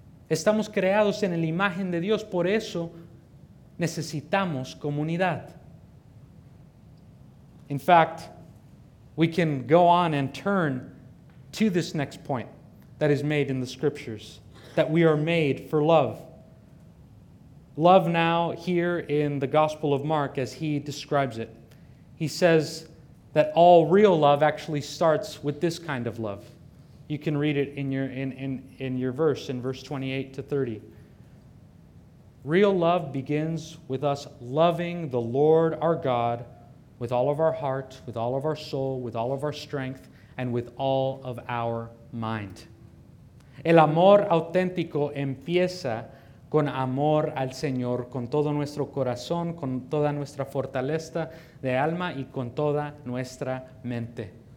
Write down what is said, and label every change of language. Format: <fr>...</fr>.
<es>Estamos creados en la imagen de Dios, por eso necesitamos comunidad.</es> <en>In fact, we can go on and turn to this next point that is made in the scriptures, that we are made for love. Love now here in the Gospel of Mark as he describes it. He says that all real love actually starts with this kind of love. You can read it in your verse, in verse 28 to 30. Real love begins with us loving the Lord our God with all of our heart, with all of our soul, with all of our strength, and with all of our mind.</en> <es>El amor auténtico empieza con amor al Señor, con todo nuestro corazón, con toda nuestra fortaleza de alma y con toda nuestra mente.</es>